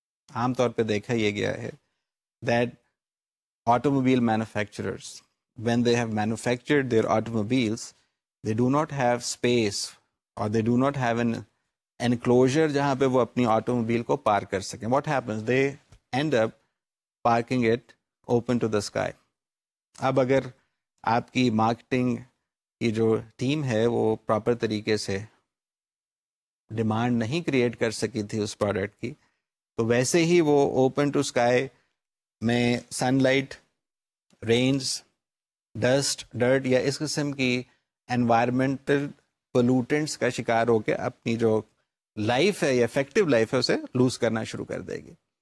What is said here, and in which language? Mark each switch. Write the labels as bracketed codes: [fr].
[ur] عام طور پہ دیکھا یہ گیا ہے [en] that automobile manufacturers when they have manufactured their automobiles they do not have space or they do not have an enclosure [ur] جہاں پہ وہ اپنی آٹوموبائل کو پارک کر سکیں. [en] What happens they end up parking it open to the sky. [ur] اب اگر آپ کی مارکیٹنگ کی جو ٹیم ہے وہ پراپر طریقے سے ڈیمانڈ نہیں کریٹ کر سکی تھی اس پروڈکٹ کی تو ویسے ہی وہ اوپن ٹو اسکائی میں sun light rains dust dirt یا اس قسم کی انوائرمنٹل پولوٹنٹس کا شکار ہو کے اپنی جو لائف ہے یا افیکٹو لائف ہے اسے لوز کرنا شروع کر دے گی.